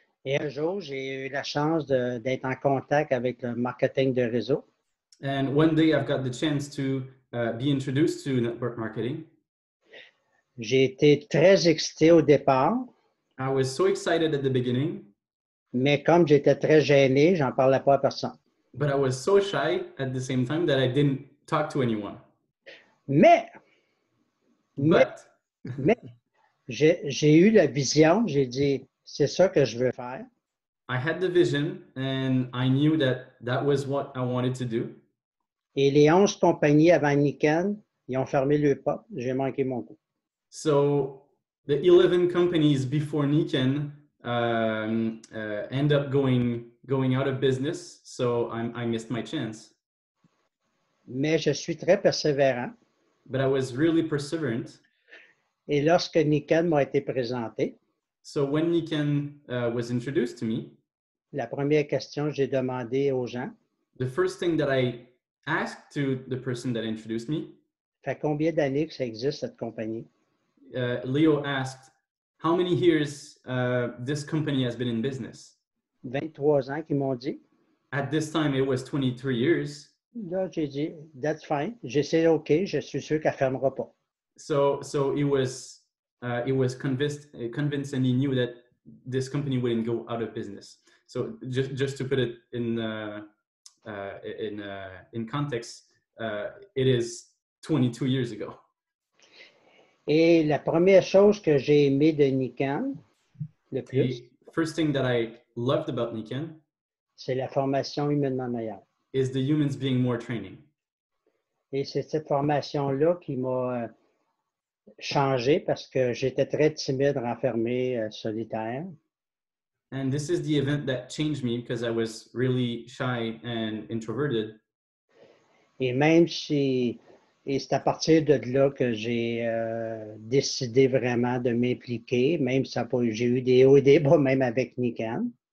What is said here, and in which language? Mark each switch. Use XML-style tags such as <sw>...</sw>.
<fr>Et un jour, j'ai eu la chance d'être en contact avec le marketing de réseau.</fr> <en>And one day, I've got the chance to be introduced to network marketing.</en> <fr>J'ai été très excité au départ.</fr> <en>I was so excited at the beginning.</en> <fr>Mais comme j'étais très gêné, j'en parlais pas à personne.</fr> <en>But I was so shy at the same time that I didn't talk to anyone.</en> <fr>Mais j'ai eu la vision, j'ai dit, c'est ça que je veux faire.</fr> <en>I had the vision and I knew that that was what I wanted to do.</en> <fr>Et les 11 compagnies avant Nikan, ils ont fermé le pot. J'ai manqué mon coup.</fr> <en>So the 11 companies before Nikan end up going out of business, so I missed my chance.</en> <fr>Mais je suis très persévérant.</fr> <en>But I was really perseverant.</en> <fr>Et lorsque Nikan m'a été présenté,</fr> <en>so when Nikan was introduced to me,</en> <fr>la première question que j'ai demandé aux gens,</fr> <en>the first thing that I asked to the person that introduced me,</en> <fr>fait combien d'années que ça existe cette compagnie?</fr> <en>Leo asked, how many years this company has been in business?</en> <fr>23 ans qu'ils m'ont dit.</fr> <en>At this time it was 23 years.</en> <fr>Là j'ai dit,</fr> <en>that's fine,</en> <fr>j'ai dit ok, je suis sûr qu'elle ne fermera pas.</fr> <en>So it was convinced, and he knew that this company wouldn't go out of business. So just to put it in context, it is 22 years ago.</en> <fr>Et la première chose que j'ai aimé de Nikan, le plus,</fr> <en>the first thing that I loved about Nikan,</en> <fr>c'est la formation humainement meilleure.</fr> <en>Is the humans being more training.</en> <fr>Et c'est cette formation là qui m'a changé parce que j'étais très timide, renfermé, solitaire.</fr> <en>And this is the event that changed me because I was really shy and introverted.</en> <fr>Et même si, et c'est à partir de là que j'ai décidé vraiment de m'impliquer, même si j'ai eu des hauts et des bas, même avec Nikan.</fr>